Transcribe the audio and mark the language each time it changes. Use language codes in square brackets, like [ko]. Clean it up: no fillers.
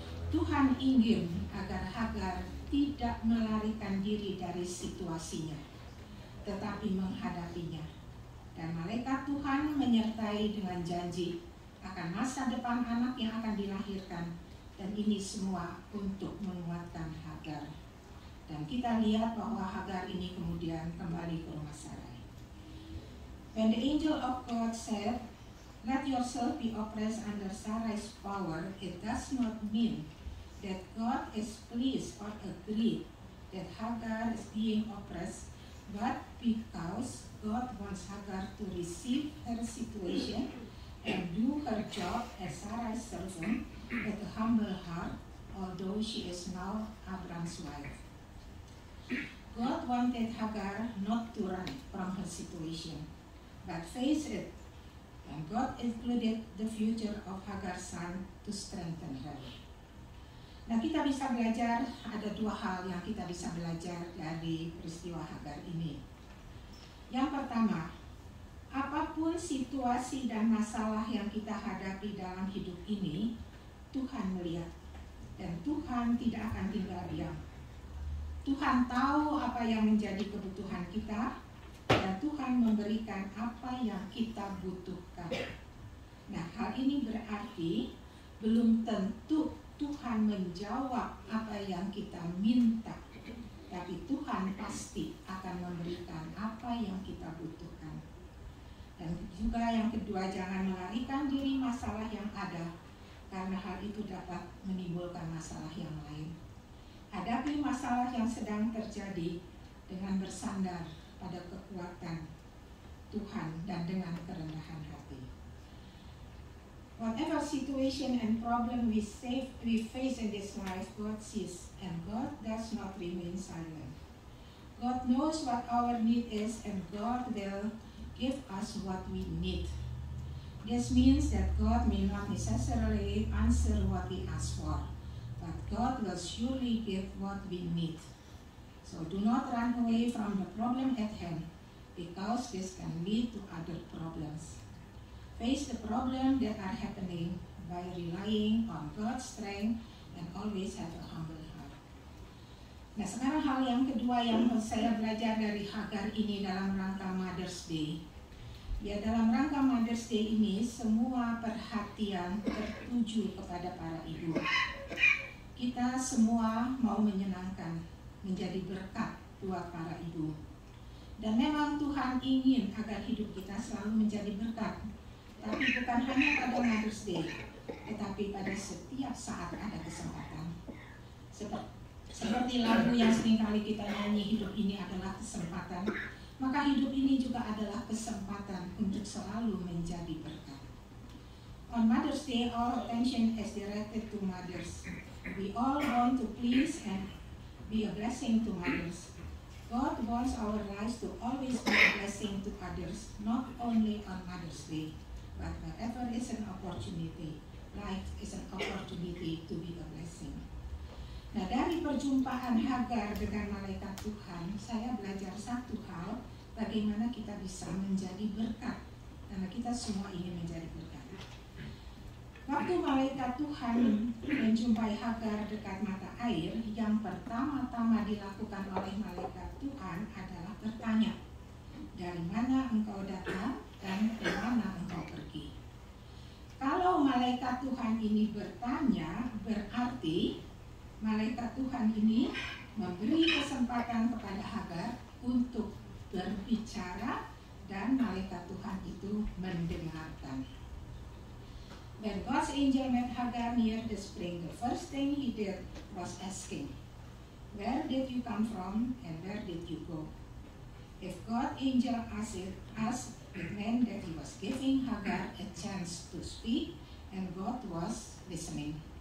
[id] Tuhan ingin agar Hagar tidak melarikan diri dari situasinya, tetapi menghadapinya. Dan malaikat Tuhan menyertai dengan janji akan masa depan anak yang akan dilahirkan. Dan ini semua untuk menguatkan Hagar. Dan kita lihat bahwa Hagar ini kemudian kembali ke rumah Sarai. [en] When the angel of God said, let yourself be oppressed under Sarai's power, it does not mean that God is pleased or agreed that Hagar is being oppressed, but because God wants Hagar to receive her situation and do her job as Sarai's servant with a humble heart, although she is now Abraham's wife. God wanted Hagar not to run from her situation, but face it, and God included the future of Hagar's son to strengthen her. [id] Nah, kita bisa belajar, ada dua hal yang kita bisa belajar dari peristiwa Hagar ini. Yang pertama, apapun situasi dan masalah yang kita hadapi dalam hidup ini, Tuhan melihat dan Tuhan tidak akan tinggal diam. Tuhan tahu apa yang menjadi kebutuhan kita dan Tuhan memberikan apa yang kita butuhkan. Nah, hal ini berarti belum tentu Tuhan menjawab apa yang kita minta, tapi Tuhan pasti akan memberikan apa yang kita butuhkan. Dan juga yang kedua, jangan melarikan diri masalah yang ada, karena hal itu dapat menimbulkan masalah yang lain. hadapi masalah yang sedang terjadi dengan bersandar pada kekuatan Tuhan dan dengan kerendahan hati. [en] Whatever situation and problem we face in this life, God sees, and God does not remain silent. God knows what our need is, and God will give us what we need. This means that God may not necessarily answer what we ask for, but God will surely give what we need. So do not run away from the problem at hand, because this can lead to other problems. Face the problems that are happening by relying on God's strength and always have a humble heart. [id] Nah, sekarang hal yang kedua yang saya belajar dari Hagar ini dalam rangka Mother's Day. Ya, dalam rangka Mother's Day ini, semua perhatian tertuju kepada para ibu. Kita semua mau menyenangkan, menjadi berkat buat para ibu. Dan memang Tuhan ingin agar hidup kita selalu menjadi berkat. Tapi bukan hanya pada Mother's Day, tetapi pada setiap saat ada kesempatan. Seperti lagu yang seringkali kita nyanyi, hidup ini adalah kesempatan. Maka hidup ini juga adalah kesempatan untuk selalu menjadi berkat. [en] On Mother's Day, all attention is directed to mothers. We all want to please and be a blessing to mothers. God wants our lives to always be a blessing to others, not only on Mother's Day, but wherever is an opportunity. Life is an opportunity to be a blessing. [id] Nah, dari perjumpaan Hagar dengan malaikat Tuhan, saya belajar satu hal, bagaimana kita bisa menjadi berkat. Karena kita semua ingin menjadi berkat. Waktu malaikat Tuhan menjumpai Hagar dekat mata air, yang pertama-tama dilakukan oleh malaikat Tuhan adalah bertanya, dari mana engkau datang dan ke mana engkau pergi? Kalau malaikat Tuhan ini bertanya, berarti malaikat Tuhan ini memberi kesempatan kepada Hagar untuk berbicara, dan malaikat Tuhan itu mendengarkan. [en] When God's angel met Hagar near the spring, the first thing he did was asking, where did you come from and where did you go? If God's angel asked, it meant that he was giving Hagar a chance to speak and God was listening.